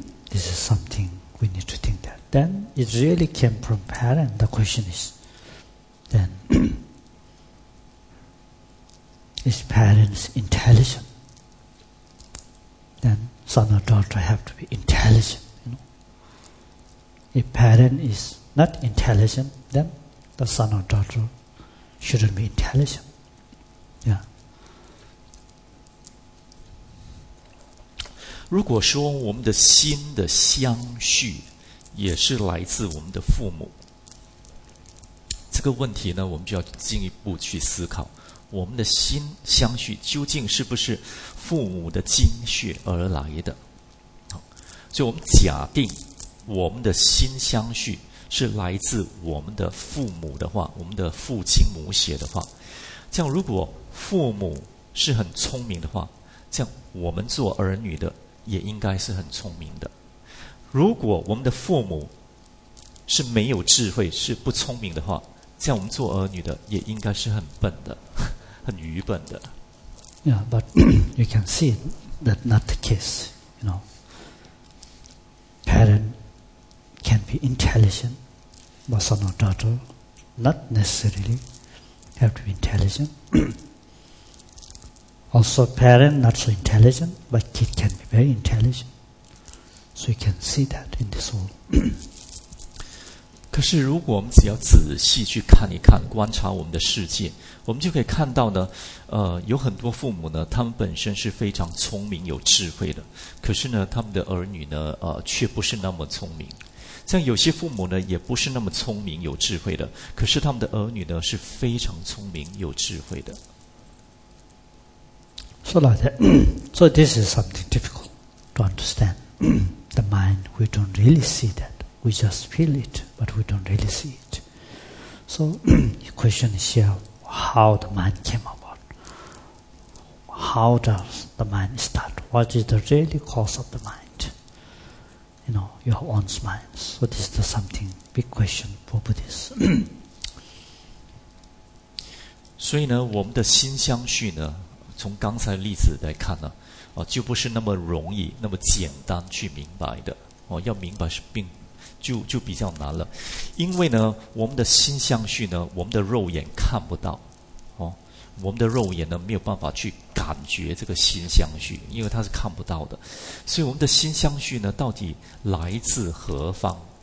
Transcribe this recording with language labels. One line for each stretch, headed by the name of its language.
English: This is something we need to think that. Then it really came from parents, the question is, then is parents intelligent? Then son or daughter have to be intelligent. If parent is not intelligent, then the son or daughter shouldn't be intelligent. Yeah.
Chinese: 如果说我们的心的相续也是来自我们的父母，这个问题呢，我们就要进一步去思考，我们的心相续究竟是不是父母的精血而来的？所以我们假定。我们的心相续是来自我们的父母的话，我们的父亲母血的话，这样如果父母是很聪明的话，这样我们做儿女的也应该是很聪明的。如果我们的父母是没有智慧，是不聪明的话，这样我们做儿女的也应该是很笨的，很愚笨的。
English: Yeah, but you can see that not the case, you know. Parent can be be intelligent, but son or daughter, not necessarily have to be intelligent. Also parent, not so intelligent, but kid can be very intelligent. So you can see that in this world.
Chinese: 可是如果我们只要仔细去看一看，观察我们的世界，我们就可以看到呢，有很多父母呢，他们本身是非常聪明有智慧的，可是呢，他们的儿女呢，却不是那么聪明。像有些父母呢，也不是那么聪明有智慧的，可是他们的儿女呢，是非常聪明有智慧的。
English: So like that, so this is something difficult to understand. The mind, we don't really see that. We just feel it, but we don't really see it. So, the question is here, how the mind came about? How does the mind start? What is the really cause of the mind? You know, your own mind. So this is something, big question for Buddhists.
Chinese: 所以呢，我们的心相续呢，从刚才例子来看呢，就不是那么容易，那么简单去明白的。要明白是并就比较难了，因为呢，我们的心相续呢，我们的肉眼看不到，我们的肉眼呢没有办法去感觉这个心相续，因为它是看不到的，所以我们的心相续呢，到底来自何方？